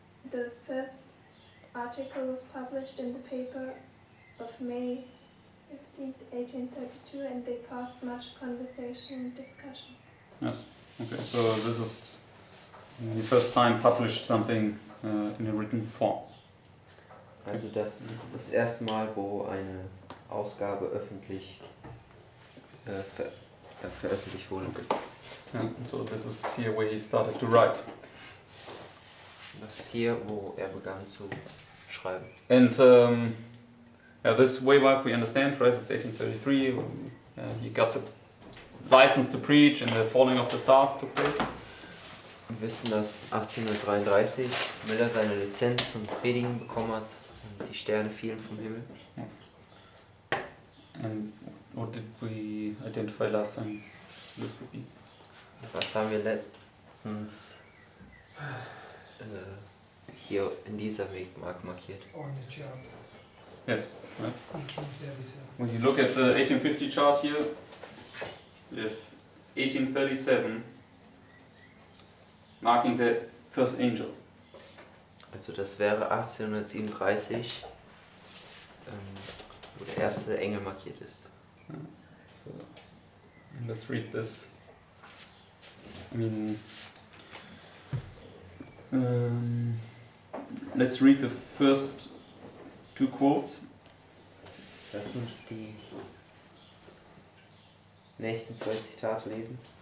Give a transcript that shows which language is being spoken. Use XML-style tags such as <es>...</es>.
<en>The first article was published in the paper of May 15th, 1832, and they caused much conversation and discussion. Yes, okay, so this is the first time published something in a written form. Okay.</en> <de>Also das erste Mal, wo eine Ausgabe öffentlich veröffentlicht wurde. Okay.</de> <en>So this is here where he started to write.</en> <de>Das ist hier, wo begann zu schreiben.</de> <en>And this way back we understand, right? It's 1833. He got the license to preach, and the falling of the stars took place.</en> <de>Wir wissen, dass 1833 Miller seine Lizenz zum Predigen bekommen hat und die Sterne fielen vom Himmel.</de> <en>Yes. And what did we identify last time? This could be.</en> <de>Was haben wir letztens hier in dieser Wegmark markiert?</de> <en>On the chart. Yes, right. When you look at the 1850 chart here, we have 1837 marking the first angel.</en> <de>Also das wäre 1837, wo der erste Engel markiert ist.</de> <en>So, let's read this. I mean, let's read the first two quotes.</en> <de>Lass uns die nächsten zwei Zitate lesen.</de>